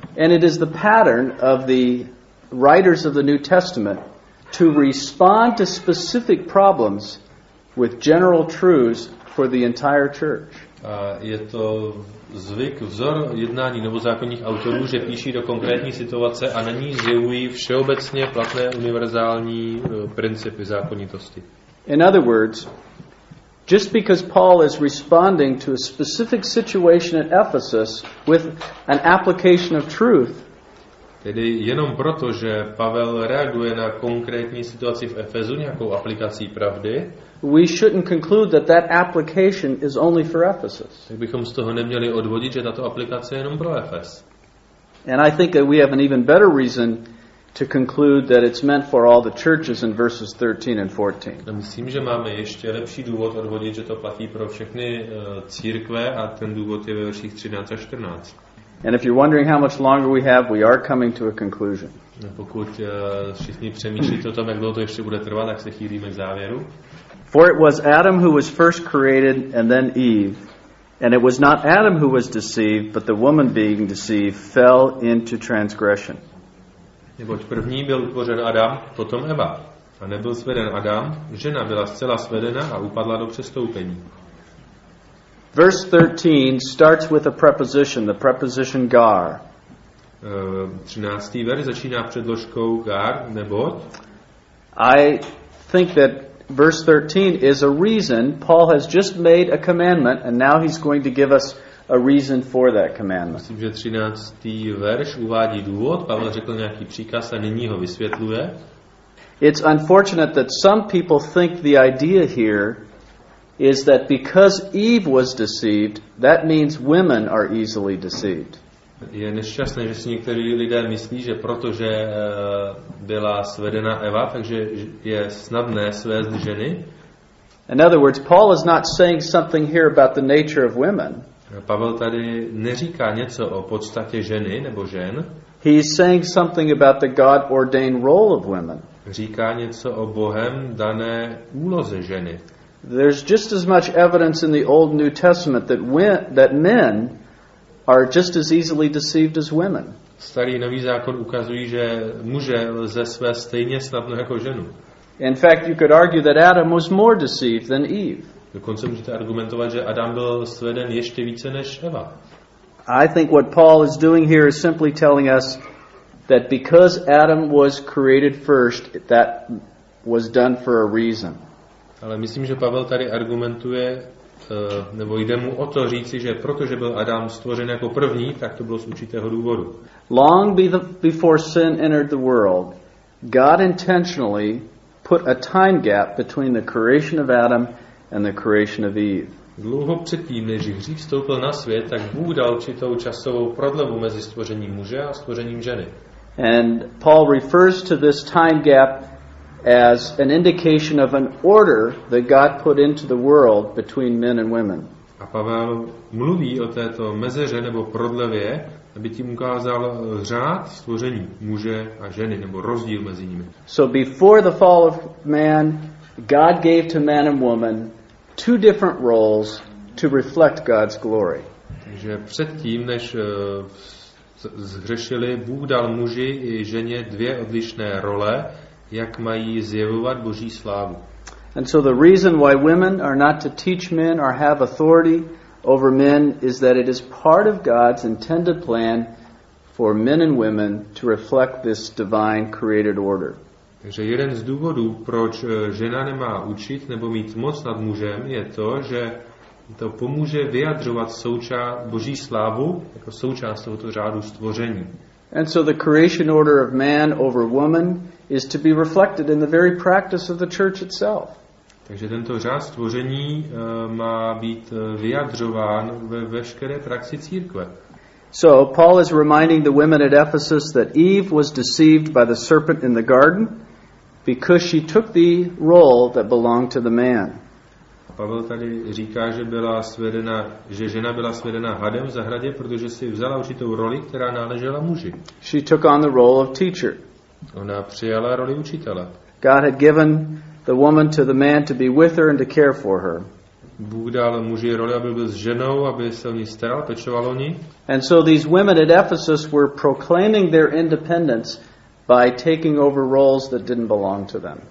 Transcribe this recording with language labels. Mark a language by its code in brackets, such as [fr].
[en] And it is the pattern of the writers of the New Testament to respond to specific problems with general truths for the entire church. [cs] A je to zvyk, vzor jednání novozákonních autorů, že píší do konkrétní situace a na ní zjevují všeobecně platné univerzální principy zákonitosti. [en] In other words, just because Paul is responding to a specific situation at Ephesus with an application of truth, [cs] tedy jenom proto, že Pavel reaguje na konkrétní situaci v Efezu nějakou aplikací pravdy, [en] we shouldn't conclude that that application is only for Ephesus. [cs] Tak bychom z toho neměli odvodit, že tato aplikace je jenom pro Efes. [en] And I think that we have an even better reason to conclude that it's meant for all the churches in verses 13 and 14. [cs] Myslím, že máme ještě lepší důvod odvodit, že to platí pro všechny církve, a ten důvod je ve verších 13 a 14. [en] And if you're wondering how much longer we have, we are coming to a conclusion. [cs] Pokud všichni přemýšlíte o tom, jak dlouho to ještě bude trvat, tak se chýlíme k závěru. [en] For it was Adam who was first created and then Eve. And it was not Adam who was deceived, but the woman being deceived fell into transgression. [cs] Neboť první byl utvořen Adam, potom Eva. A nebyl sveden Adam, žena byla zcela svedena a upadla do přestoupení. [en] Verse 13 starts with a preposition, the preposition gar. [cs] 13. verš začíná předložkou gar, neboť. [en] I think that verse 13 is a reason. Paul has just made a commandment and now he's going to give us a reason for that commandment. [cs] Myslím, že 13. verš uvádí důvod. Pavel řekl nějaký příkaz a nyní ho vysvětluje. [en] It's unfortunate that some people think the idea here is that because Eve was deceived, that means women are easily deceived. [cs] Je nešťastné, že si někteří lidé myslí, že protože byla svedena Eva, takže je snadné svést ženy. [en] In other words, Paul is not saying something here about the nature of women. [cs] Pavel tady neříká něco o podstatě ženy nebo žen. [en] He is saying something about the God-ordained role of women. [cs] Říká něco o Bohem dané úloze ženy. [en] There's just as much evidence in the Old New Testament that that men are just as easily deceived as women. [cs] Starý Nový zákon ukazují, že muže lze svést stejně snadno jako ženu. [en] In fact, you could argue that Adam was more deceived than Eve. [cs] Dokonce můžete argumentovat, že Adam byl sveden ještě více než Eva. [en] I think what Paul is doing here is simply telling us that because Adam was created first, that was done for a reason. [cs] Ale myslím, že Pavel tady argumentuje, nebo jde mu o to říci, že protože byl Adam stvořen jako první, tak to bylo z určitého důvodu. [en] Long before sin entered the world, God intentionally put a time gap between the creation of Adam and the creation of Eve. [cs] Dlouho předtím, než hřích vstoupil na svět, tak Bůh dal určitou časovou prodlevu mezi stvořením muže a stvořením ženy. [en] And Paul refers to this time gap as an indication of an order that God put into the world between men and women. [cs] A Pavel mluví o této mezeře nebo prodlevě, aby tím ukázal řád stvoření muže a ženy nebo rozdíl mezi nimi. [en] So before the fall of man, God gave to man and woman two different roles to reflect God's glory. [cs] Takže předtím, než zhřešili, Bůh dal muži i ženě dvě odlišné role, jak mají zjevovat Boží slávu. [en] And so the reason why women are not to teach men or have authority over men is that it is part of God's intended plan for men and women to reflect this divine created order. [cs] Takže jeden z důvodů, proč žena nemá učit nebo mít moc nad mužem, je to, že to pomůže vyjadřovat Boží slávu jako součást tohoto řádu stvoření. [en] And so the creation order of man over woman is to be reflected in the very practice of the church itself. [cs] Takže tento řád stvoření má být vyjadřován ve veškeré praxi církve. [en] So Paul is reminding the women at Ephesus that Eve was deceived by the serpent in the garden because she took the role that belonged to the man. [cs] Pavel tady říká, že žena byla svedena hadem v zahradě, protože si vzala určitou roli, která náležela muži. [en] She took on the role of teacher. [cs] Ona přijala roli učitele. [en] God had given the woman to the man to be with her and to care for her. [cs] Bůh dal muži roli, aby byl s ženou, aby se o ní staral, pečoval o ní. [en] And so these women at Ephesus were proclaiming their independence by taking over roles that didn't belong to them.